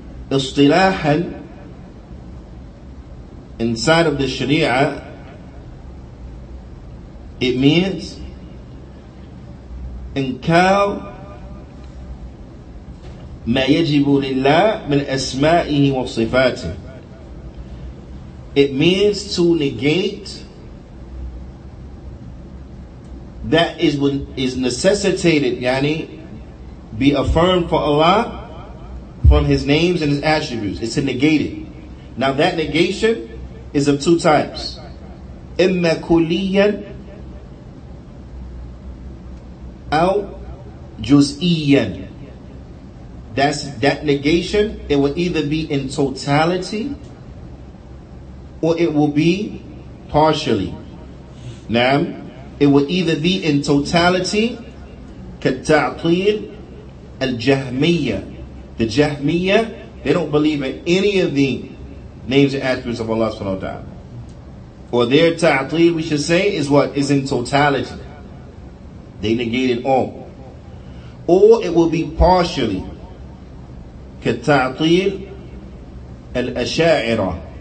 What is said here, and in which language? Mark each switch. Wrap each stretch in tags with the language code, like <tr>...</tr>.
<ar>اصطلاحاً,</ar> <en>inside of the Sharia, it means</en> <ar>إنكار ما يجب لله من أسمائه وصفاته.</ar> <en>It means to negate that is what is necessitated, yani, be affirmed for Allah from His names and His attributes. It's a negated. Now that negation is of two types.</en> <ar>إما كلياً أو جزئياً.</ar> <en>That's that negation, it will either be in totality or it will be partially.</en> <ar>Naam.</ar> <en>It will either be in totality,</en> <ar>كالتعطيل الجهمية.</ar> <en>The Jahmiyyah, they don't believe in any of the names and attributes of Allah subhanahu wa ta'ala. Or their ta'atil, we should say, is what? Is in totality. They negate it all. Or it will be partially.</en> <ar>كالتعطيل الأشاعرة.</ar>